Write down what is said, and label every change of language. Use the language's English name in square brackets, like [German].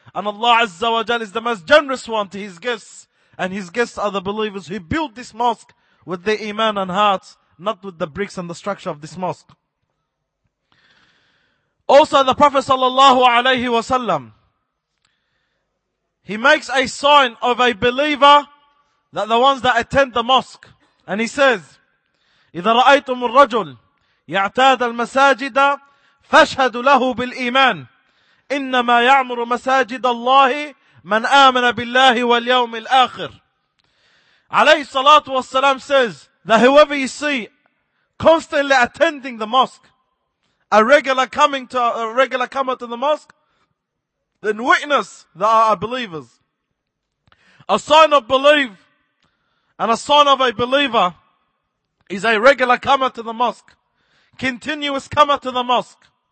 [English] And Allah Azza wa Jal is the most generous one to His guests. And His guests are the believers who build this mosque with their iman and hearts, not with the bricks and the structure of this mosque. Also, the Prophet sallallahu alayhi wa sallam, he makes a sign of a believer that the ones that attend the mosque. And he says, [Arabic] إِذَا رَأَيْتُمُ الرَّجُلِ يَعْتَادَ الْمَسَاجِدَ فَاشْهَدُ لَهُ بِالْإِيمَانِ إِنَّمَا يَعْمُرُ مَسَاجِدَ اللَّهِ مَنْ آمَنَ بِاللَّهِ وَالْيَوْمِ الْآخِرِ. [English] عليه الصلاة والسلام says that whoever you see constantly attending the mosque, a regular comer to the mosque, then witness that are believers. A sign of belief and a sign of a believer is a regular comer to the mosque, continuous comer to the mosque.